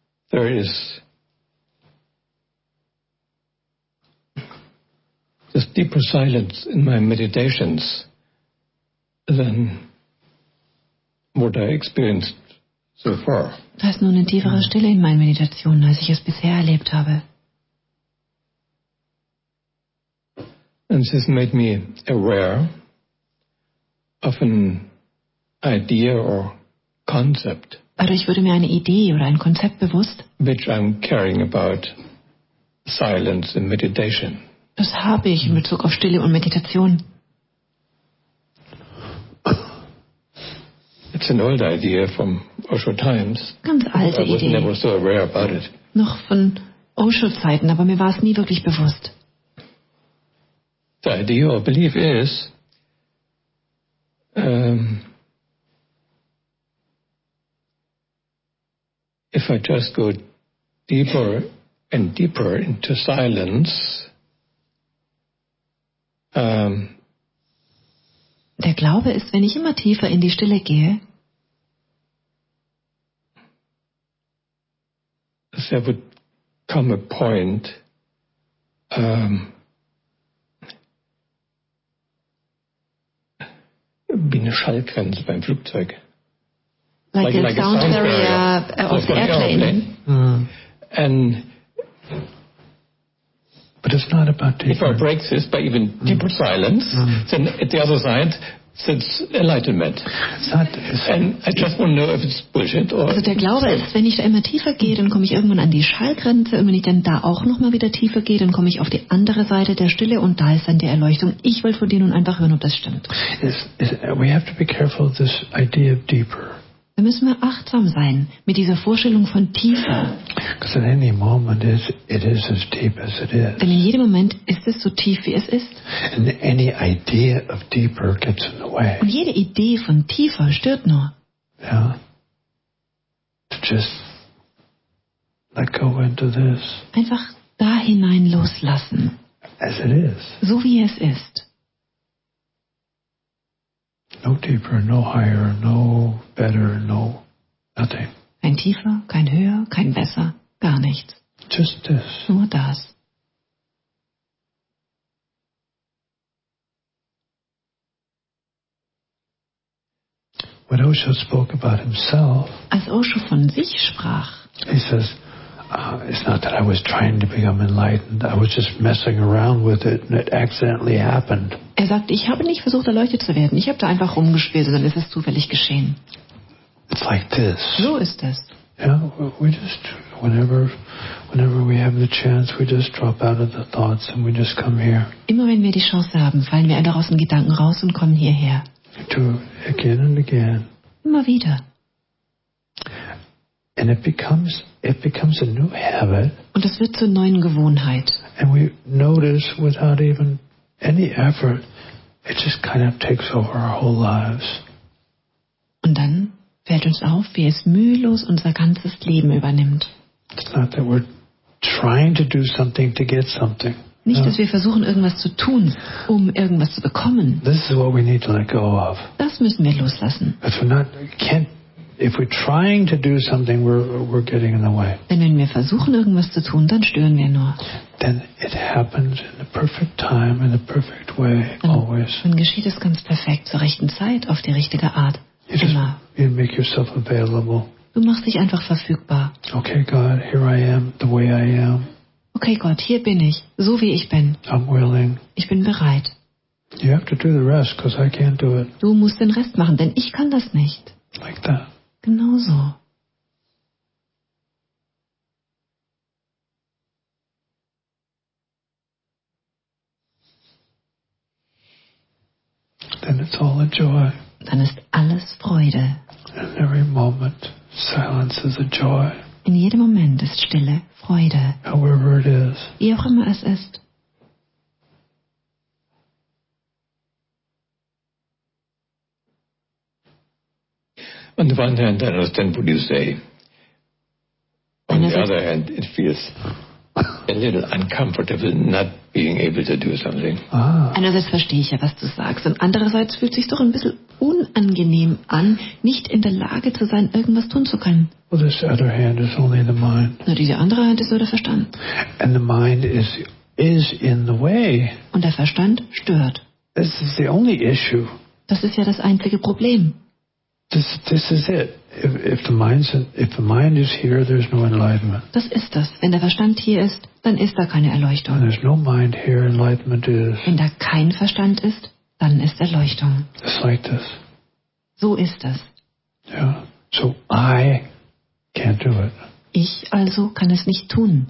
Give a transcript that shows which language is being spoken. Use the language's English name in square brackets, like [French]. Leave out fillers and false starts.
[English] There is this deeper silence in my meditations than what I experienced so far. [German] Da ist nur eine tiefere Stille in meinen Meditationen, als ich es bisher erlebt habe. [English] And this made me aware of an idea or concept. [German] Dadurch wurde mir eine Idee oder ein Konzept bewusst. [English] Which I'm caring about silence and meditation. [German] Das habe ich in Bezug auf Stille und Meditation. [English] It's an old idea from Osho times. [German] Ganz alte [English] I was [German] Idee. [English] Never so aware about it. [German] Noch von Osho-Zeiten, aber mir war es nie wirklich bewusst. [English] The idea or belief is if I just go deeper and deeper into silence [German] der Glaube ist, wenn ich immer tiefer in die Stille gehe, [English] because there would come a point [German] wie eine Schallgrenze beim Flugzeug. [English] Like a sound barrier of the airplane. Mm. And but it's not about deeper. If I break this by even deeper silence, then at the other side, that's enlightenment. And I just want to know if it's bullshit or... [German] Also der Glaube ist, wenn ich da immer tiefer gehe, dann komme ich irgendwann an die Schallgrenze. Und wenn ich dann da auch nochmal wieder tiefer gehe, dann komme ich auf die andere Seite der Stille und da ist dann die Erleuchtung. Ich will von dir nun einfach hören, ob das stimmt. [English] We have to be careful with this idea of deeper. [German] Da müssen wir achtsam sein mit dieser Vorstellung von tiefer. [English] Because at any moment it is as deep as it is. [German] Denn in jedem Moment ist es so tief, wie es ist. [English] And any idea of deeper gets in the way. [German] Und jede Idee von tiefer stört nur. [English] Yeah. To just let go into this. [German] Einfach da hinein loslassen. [English] As it is. [German] So wie es ist. [English] No deeper, no higher, no better, no nothing. [German] Kein tiefer, kein höher, kein besser, gar nichts. [English] Just this. [German] Nur das. [English] When Osho spoke about himself, [German] als Osho von sich sprach, [English] he says, it's not that I was trying to become enlightened. I was just messing around with it, and it accidentally happened. [German] Er sagt, ich habe nicht versucht, erleuchtet zu werden. Ich habe da einfach rumgespielt, sondern es ist zufällig geschehen. [English] It's like this. [German] So ist es. [English] Yeah, we just whenever we have the chance, we just drop out of the thoughts and we just come here. [German] Immer wenn wir die Chance haben, fallen wir einfach aus den Gedanken raus und kommen hierher. [English] Do again and again. [German] Immer wieder. [English] And it becomes a new habit. [German] Und es wird zur neuen Gewohnheit. [English] And we notice without even any effort, it just kind of takes over our whole lives. [German] Und dann fällt uns auf, wie es mühelos unser ganzes Leben übernimmt. [English] It's not that we're trying to do something to get something. [German] Nicht, dass wir versuchen, irgendwas zu tun, um irgendwas zu bekommen. [English] This is what we need to let go of. [German] Das müssen wir loslassen. [English] If we're not, if we're trying to do something, we're getting in the way. [German] Denn wenn wir versuchen, irgendwas zu tun, dann stören wir nur. [English] Then it happens in the perfect time, in the perfect way, always. [German] Dann geschieht es ganz perfekt, zur rechten Zeit, auf die richtige Art, immer. [English] You make yourself available. [German] Du machst dich einfach verfügbar. [English] Okay, God, here I am, the way I am. [German] Okay, Gott, hier bin ich, so wie ich bin. [English] I'm willing. [German] Ich bin bereit. [English] You have to do the rest, because I can't do it. [German] Du musst den Rest machen, denn ich kann das nicht. [English] Like that. [German] Genauso. [English] Then it's all a joy. [German] Dann ist alles Freude. [English] And every moment, silence is a joy. [German] In jedem Moment ist Stille Freude. [English] However it is. [German] Wie auch immer es ist. [English] On the one hand, I understand what you say. On the other hand, it feels a little uncomfortable not being able to do something. [German] Einerseits verstehe ich ja, was du sagst. Und andererseits fühlt es sich doch ein bisschen unangenehm an, nicht in der Lage zu sein, irgendwas tun zu können. [English] Well, this other hand is only the mind. [German] Nur diese andere Hand ist nur der Verstand. [English] And the mind is in the way. [German] Und der Verstand stört. [English] This is the only issue. [German] Das ist ja das einzige Problem. [English] This is it. If the mind is here, there's no enlightenment. [German] Das ist das. Wenn der Verstand hier ist, dann ist da keine Erleuchtung. [English] There's no mind here, enlightenment is. [German] Wenn da kein Verstand ist, dann ist Erleuchtung. [English] It's like this. [German] So ist das. [English] Yeah. So I can't do it. [German] Ich also kann es nicht tun.